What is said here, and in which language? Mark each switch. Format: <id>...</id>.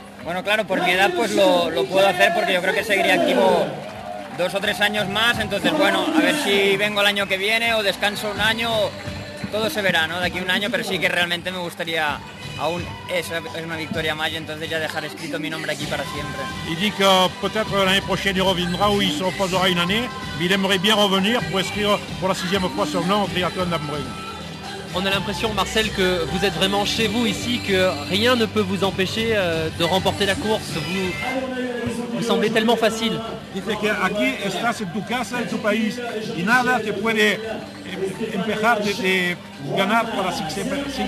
<es>Bueno, claro, por mi edad, pues lo puedo hacer porque yo creo que seguiré activo 2 o 3 años más. Entonces, bueno, a ver si vengo el año que viene o descanso un año. Todo se verá, ¿no? De aquí a un año, pero sí que realmente me gustaría aún eso, es una victoria más y entonces ya dejar escrito mi nombre aquí para siempre. Y dice que</es> <fr>peut-être l'année prochaine il reviendra ou il se reposera une année, mais il aimerait bien revenir pour inscrire pour la 6e fois son nom au triathlon d'Embrun. On a l'impression, Marcel, que vous êtes vraiment chez vous ici, que rien ne peut vous empêcher de remporter la course. Vous semblez tellement facile.</fr> <es>Dice que aquí estás en tu casa, en tu país, y nada te puede empezar de ganar por las 6 veces.</es>